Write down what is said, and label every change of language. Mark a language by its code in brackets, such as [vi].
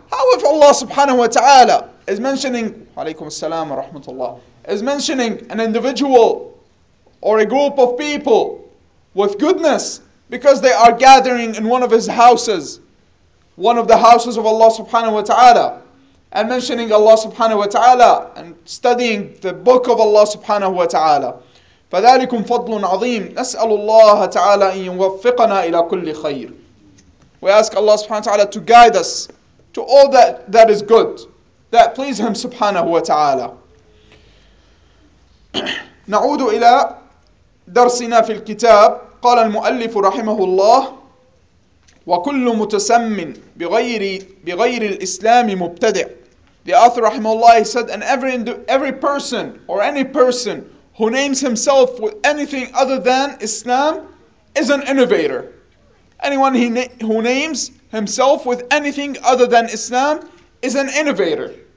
[en] How if Allah subhanahu wa ta'ala is mentioning, [ar] وَعَلَيْكُمْ السَّلَامُ وَرَحْمَةُ اللَّهِ, [en] is mentioning an individual or a group of people with goodness because they are gathering in one of his houses, one of the houses of Allah subhanahu wa ta'ala, and mentioning Allah subhanahu wa ta'ala and studying the book of Allah subhanahu wa ta'ala. [ar] فَذَلِكُمْ فَضْلٌ عَظِيمٌ نَسْأَلُ اللَّهَ تَعَالَى أَن يُوَفِّقَنَا إِلَى كُلِّ خَيْرٍ. [en] We ask Allah subhanahu wa ta'ala to guide us to all that is good, that please Him subhanahu wa ta'ala. [ar] نعود إلى درسنا في الكتاب. قال المؤلف رحمه الله: وكل متسم بغير الإسلام مبتدع. [en] The author رحمه الله said, and every person or any person who names himself with anything other than Islam is an innovator. Anyone who names himself with anything other than Islam is an innovator.